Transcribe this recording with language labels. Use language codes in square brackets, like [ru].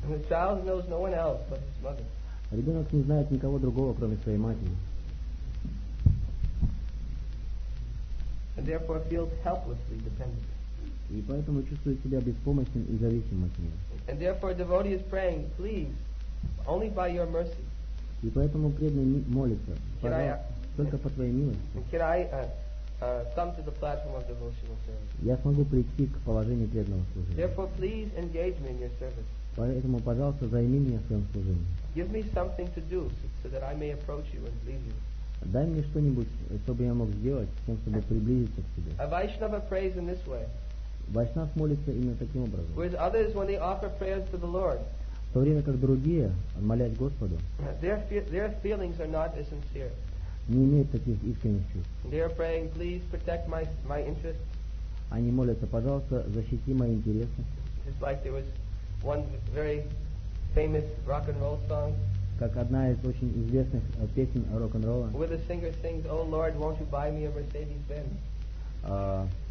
[en] The child knows no one else but his mother. [ru] Ребенок не знает никого другого, кроме своей матери. [en] And therefore feels helplessly dependent. [ru] И поэтому чувствует себя беспомощным и зависимым от нее. [en] And therefore devotee is praying, please, only by your mercy. [ru] И поэтому преданный молится, только по твоей милости. [en] Can I come to the platform of devotional service? [ru] Я смогу прийти к положению преданного служения. [en] Therefore, please engage me in your service. [ru] Поэтому, пожалуйста, займи меня в своем служении. [en] Give me something to do so that I may approach you and lead you. [ru] Дай мне что-нибудь, чтобы я мог сделать, тем, чтобы приблизиться к тебе. [en] A Vaishnava prays in this way. [ru] Vaishnav молится именно таким образом. [en] Whereas others, when they offer prayers to the Lord. [ru] В то время как другие, молясь Господу, [en] their feelings are not as sincere. [ru] Не имеют таких искренних чувств. [en] They are praying, please protect my interests. [ru] Они молятся, пожалуйста, защити мои интересы. [en] It's like there was one very famous rock and roll song. [ru] Как одна из очень известных песен рок-н-ролла. [en] Where the singer sings, "Oh Lord, won't you buy me a Mercedes-Benz?"